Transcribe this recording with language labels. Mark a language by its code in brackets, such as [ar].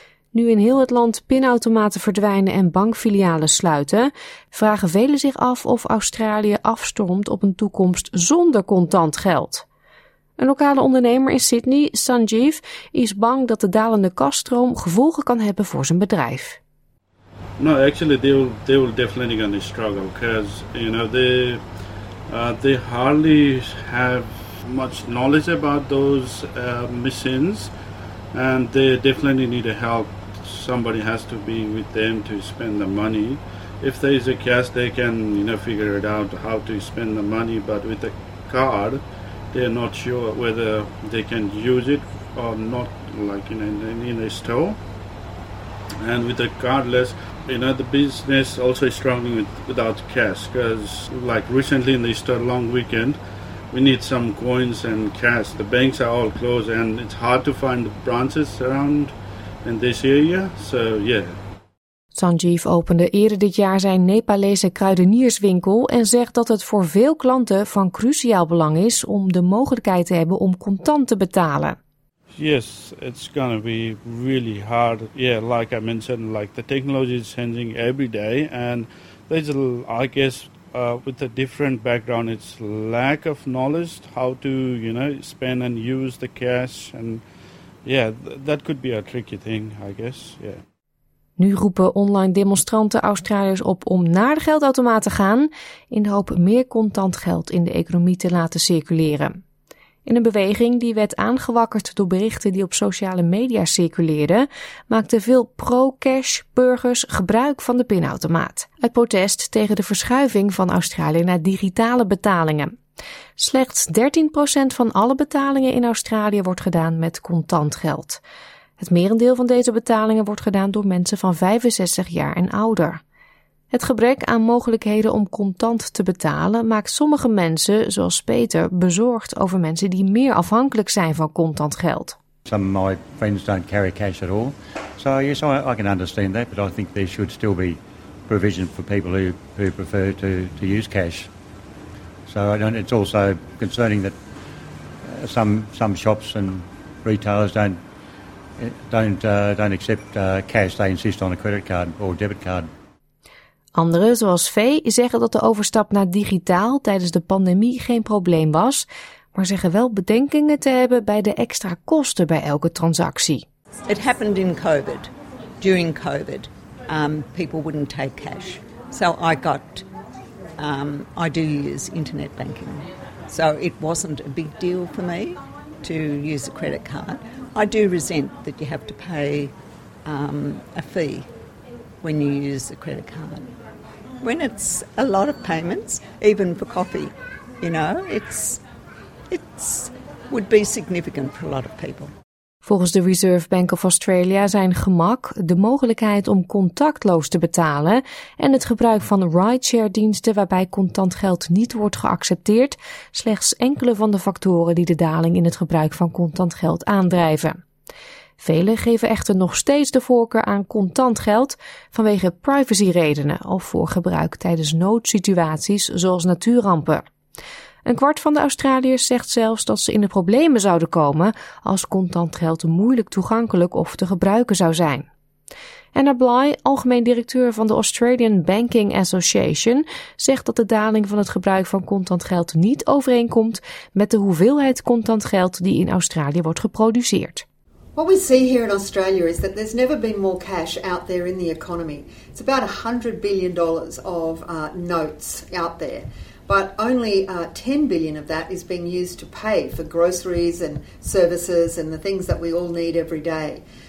[nl] Nu in heel het land pinautomaten verdwijnen en bankfilialen sluiten, vragen velen zich af of Australië afstormt op een toekomst zonder contant geld. Een lokale ondernemer in Sydney, Sanjeev, is bang dat de dalende kasstroom gevolgen kan hebben voor zijn bedrijf. [en] No, actually they will definitely gonna struggle because you know they hardly have much knowledge about those machines. And they definitely need a help. Somebody has to be with them to spend the money. If there is a cash, they can, you know, figure it out how to spend the money. But with a card, they're not sure whether they can use it or not, like in a store. And with a cardless, you know, the business also is struggling without cash. Because like recently in the Easter long weekend, we need some coins and cash. The banks are all closed and it's hard to find branches around in this area. So, yeah. [nl] Sanjeev opende eerder dit jaar zijn Nepalese kruidenierswinkel en zegt dat het voor veel klanten van cruciaal belang is om de mogelijkheid te hebben om contant te betalen. [en] Yes, it's gonna be really hard. Yeah, like I mentioned, like the technology is changing every day and there's with a different background, it's lack of knowledge how to, you know, spend and use the cash. And yeah, that could be a tricky thing, I guess. Yeah. [nl] Nu roepen online demonstranten Australiërs op om naar de geldautomaat te gaan, in de hoop meer contant geld in de economie te laten circuleren. In een beweging die werd aangewakkerd door berichten die op sociale media circuleerden, maakten veel pro-cash burgers gebruik van de pinautomaat. Uit protest tegen de verschuiving van Australië naar digitale betalingen. Slechts 13% van alle betalingen in Australië wordt gedaan met contant geld. Het merendeel van deze betalingen wordt gedaan door mensen van 65 jaar en ouder. Het gebrek aan mogelijkheden om contant te betalen maakt sommige mensen, zoals Peter, bezorgd over mensen die meer afhankelijk zijn van contant geld. [en] Some of my friends don't carry cash at all. So yes, I can understand that, but I think there should still be provision for people who prefer to use cash. So it's also concerning that some shops and retailers don't accept cash. They insist on a credit card or debit card. [nl] Anderen, zoals V, zeggen dat de overstap naar digitaal tijdens de pandemie geen probleem was, maar zeggen wel bedenkingen te hebben bij de extra kosten bij elke transactie. [en] It happened in COVID. During COVID, people wouldn't take cash. So I do use internet banking. So it wasn't a big deal for me to use a credit card. I do resent that you have to pay a fee when you use a credit card. When it's a lot of payments, even for coffee, you know, it's would be significant for a lot of people. [nl] Volgens de Reserve Bank of Australia zijn gemak, de mogelijkheid om contactloos te betalen en het gebruik van rideshare diensten waarbij contant geld niet wordt geaccepteerd, slechts enkele van de factoren die de daling in het gebruik van contant geld aandrijven. Velen geven echter nog steeds de voorkeur aan contant geld vanwege privacyredenen of voor gebruik tijdens noodsituaties zoals natuurrampen. Een kwart van de Australiërs zegt zelfs dat ze in de problemen zouden komen als contant geld moeilijk toegankelijk of te gebruiken zou zijn. Anna Bligh, algemeen directeur van de Australian Banking Association, zegt dat de daling van het gebruik van contant geld niet overeenkomt met de hoeveelheid contant geld die in Australië wordt geproduceerd. [en] What we see here in Australia is that there's never been more cash out there in the economy. It's about $100 billion of notes out there. But only $10 billion of that is being used to pay for groceries and services and the things that we all need every day.